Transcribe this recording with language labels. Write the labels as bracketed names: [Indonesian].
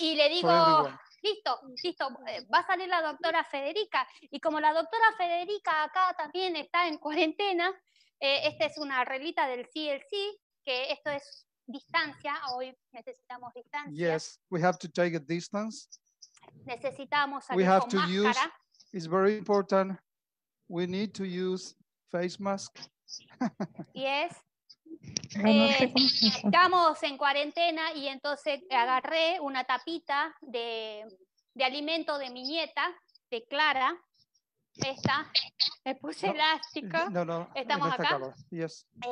[Spanish] Y le digo, listo, va a salir la doctora Federica, y como la doctora Federica acá también está en cuarentena, esta es una reglita del CLC, que esto es distancia, hoy necesitamos distancia. [English] Yes, we have to take a distance. [Spanish] Necesitamos salir con máscara. [English] We have to use, it's very important, we need to use face mask. Yes. [Spanish] Estamos en cuarentena y entonces agarré una tapita de alimento de mi nieta, de Clara. Esta, le puse elástico. No. Estamos acá. [English] Yes.